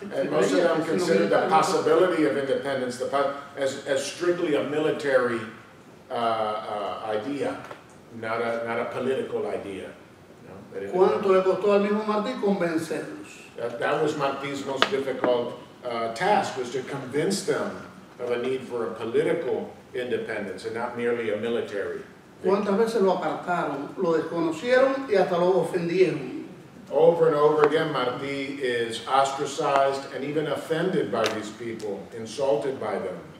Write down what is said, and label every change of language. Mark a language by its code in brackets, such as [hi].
[en] And most of them considered the possibility of independence as strictly a military idea. Not a political idea. No, [es] ¿cuánto le costó al mismo Martí convencerlos? [en] That was Martí's most difficult task, was to convince them of a need for a political independence and not merely a military. [es] ¿Cuántas veces lo apartaron, lo desconocieron y hasta lo ofendieron? [en] Over and over again, Martí is ostracized and even offended by these people, insulted by them.